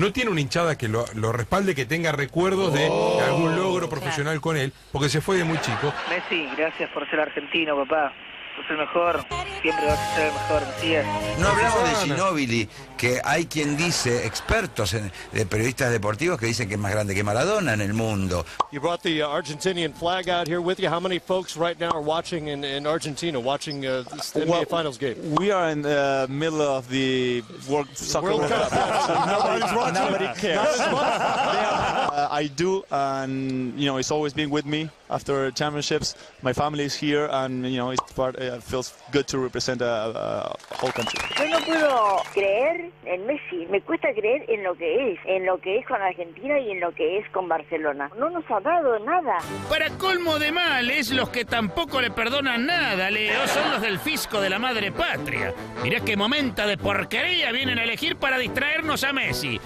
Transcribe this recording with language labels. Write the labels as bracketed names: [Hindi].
[Spanish] No tiene una hinchada que lo respalde, que tenga recuerdos de algún logro profesional con él, porque se fue de muy chico. Messi, gracias por ser argentino, papá. Sos el mejor. Siempre vas a ser el mejor, Messi. No hablamos de Ginóbili, que hay quien dice, expertos de periodistas deportivos, que dicen que es más grande que Maradona en el mundo. [English] You brought the Argentinian flag out here with you. How many folks right now are watching in Argentina, watching the NBA Finals game? We are in the middle of the World Soccer World Cup. Nobody's watching. Nobody cares. I do, and you know, it's always been with me after championships. My family is here, and you know, it feels good to represent a whole country. [Spanish] Yo no puedo creer en Messi. Me cuesta creer en lo que es con Argentina y en lo que es con Barcelona. No nos ha dado nada. Para colmo de males, los que tampoco le perdonan nada, Leo, son los del fisco de la madre patria. Mirá qué momento de porquería vienen a elegir para distraernos a Messi.